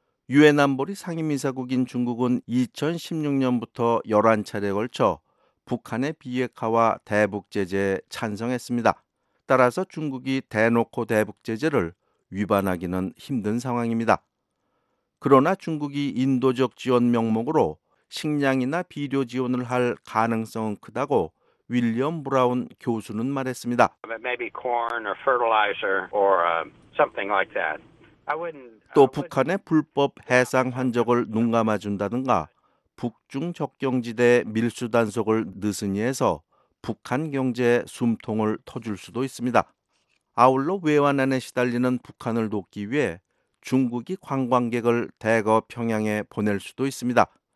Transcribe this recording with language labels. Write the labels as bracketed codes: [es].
[ko] 유엔 안보리 상임이사국인 중국은 2016년부터 11차례에 걸쳐 북한의 비핵화와 대북제재에 찬성했습니다. 따라서 중국이 대놓고 대북제재를 위반하기는 힘든 상황입니다. 그러나 중국이 인도적 지원 명목으로 식량이나 비료 지원을 할 가능성은 크다고 윌리엄 브라운 교수는 말했습니다. [en] Maybe corn or fertilizer or something like that. [ko] 또 북한의 불법 해상 환적을 눈감아준다든가 북중 접경지대의 밀수단속을 느슨히 해서 북한 경제에 숨통을 터줄 수도 있습니다. 아울러 외환난에 시달리는 북한을 돕기 위해 중국이 관광객을 대거 평양에 보낼 수도 있습니다.